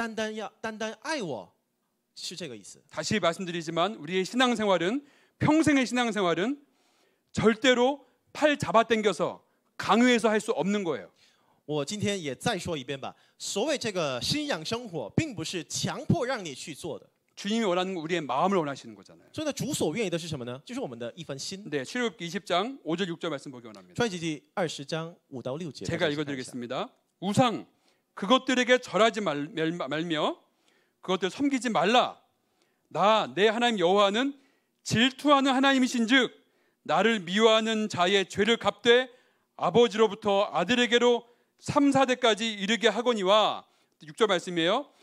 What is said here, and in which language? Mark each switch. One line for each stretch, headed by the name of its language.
Chinese: 那个神，这个意思就是你单单要单单爱我，是这个意思。
Korean: 다시 말씀드리지만 우리의 신앙생활은 평생의 신앙생활은 절대로 팔 잡아당겨서 강요해서 할 수 없는 거예요.
Chinese: 我今天也再说一遍吧，所谓这个信仰生活，并不是强迫让你去做的。
Korean: 주님이 원하는 건 우리의 마음을 원하시는 거잖아요.
Chinese: 所以呢，主所愿意的是什么呢？就是我们的一份心。
Korean: 네, 출애굽기 20장 5절 6절 말씀 보기 원합니다. 출애굽기 20장 5到 6절. 제가 읽어드리겠습니다. 우상 그것들에게 절하지 말며 그것들 섬기지 말라. 나 내 하나님 여호와는 질투하는 하나님이신즉 나를 미워하는 자의 죄를 갚되 아버지로부터 아들에게로 3-4대까지 이르게 하거니와 6절 말씀이에요.